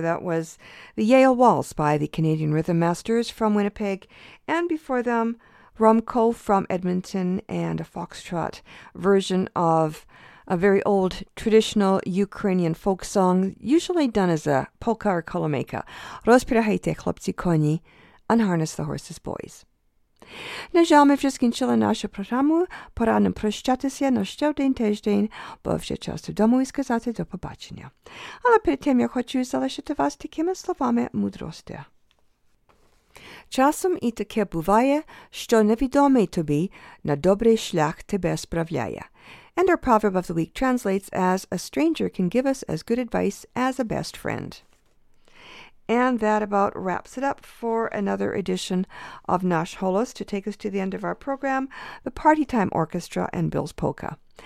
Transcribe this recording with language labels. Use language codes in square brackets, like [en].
[en] That was the Yale Waltz by the Canadian Rhythm Masters from Winnipeg, and before them, Rumco from Edmonton, and a foxtrot version of a very old traditional Ukrainian folk song, usually done as a polka or kolomeka. [uk] Rozpirahajte, chlapci koni, [en] unharness the horses, boys. [uk] На жаль, ми вже скінчили нашу програму. Пора нам прощатися на ще один тиждень, бо вже час додому і сказати до побачення. Але перед тим я хочу залишити вас такими словами мудрості. Часом і таке буває, що невідомий тобі на добрий шлях тебе справляє. [en] And our proverb of the week translates as, a stranger can give us as good advice as a best friend. And that about wraps it up for another edition of Nash Holos to take us to the end of our program, the Party Time Orchestra and Bill's Polka.